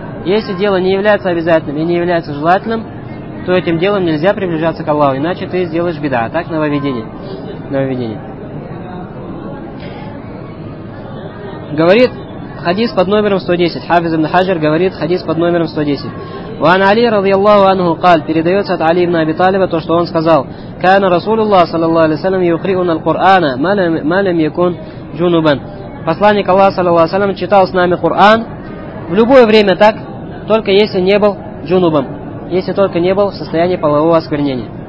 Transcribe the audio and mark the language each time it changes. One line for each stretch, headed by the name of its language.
Russian: Если дело не является обязательным и не является желательным, то этим делом нельзя приближаться к Аллаху. Иначе ты сделаешь беда. А так, нововведение. Нововведение. Говорит хадис под номером 110. Хафиз ибн Хаджар говорит хадис под номером 110.
Arabic: وعن علي رضي الله عنه قال
Russian: передается от Али ибн Аби Талиба то, что он сказал:
Arabic: كان رسول الله صلى الله عليه وسلم يقرئنا القرآن ما لم يكن جنوبا.
Russian: Посланник Аллаха
Arabic: صلى الله عليه وسلم
Russian: читал с нами Коран в любое время, так, только если не был джунубом, если только не был в состоянии полового осквернения.